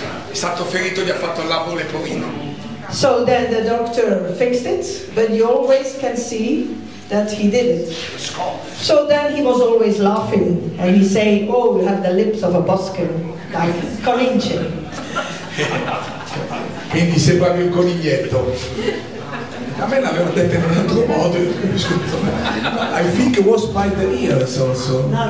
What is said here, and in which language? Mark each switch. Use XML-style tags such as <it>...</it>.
<it>È stato ferito, gli ha fatto il labbro leporino.</it> <en>So then the doctor fixed it, but you always can see that he did it. So then he was always laughing, and he say, oh, you have the lips of a Boskeun, like Colinche.</en> <it>Quindi sembravi un coniglietto. A me l'avevo detto in un altro modo, scusa.</it> <en>I think it was by the ears also.</en>